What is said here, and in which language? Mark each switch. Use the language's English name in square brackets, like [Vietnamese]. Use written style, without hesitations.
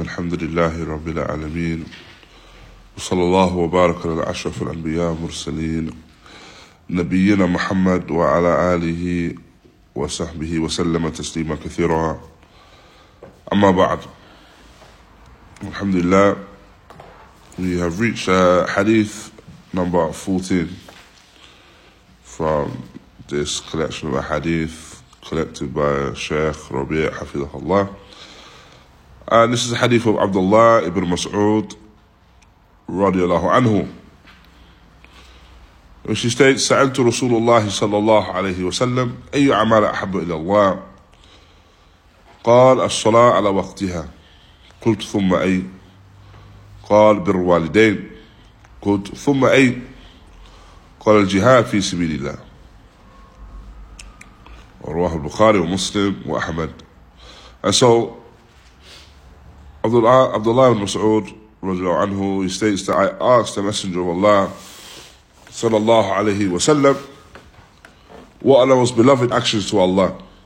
[Arabic] الحمد لله رب العالمين، وصلى الله وبارك على أشرف الأنبياء والمرسلين نبينا محمد وعلى آله وصحبه وسلم تسليما كثيرا. أما بعد، الحمد لله، [English] we have reached hadith number 14 from this collection of hadith collected by Sheikh Rabi' [Arabic] حفظه الله. [English] And this is a hadith of Abdullah ibn Mas'ud radiallahu anhu. And she states, [Arabic] سألت رسول الله صلى الله عليه وسلم أي عمل أحب إلى الله؟ قال الصلاة على وقتها. قلت ثم أي؟ قال بر والدين. قلت ثم أي؟ قال الجهاد في سبيل الله. رواه البخاري ومسلم وأحمد. [English] And so Abdullah ibn Mas'ud radiallahu anhu, he states that I asked the Messenger of Allah sallallahu alayhi wa sallam what are the most beloved actions to Allah.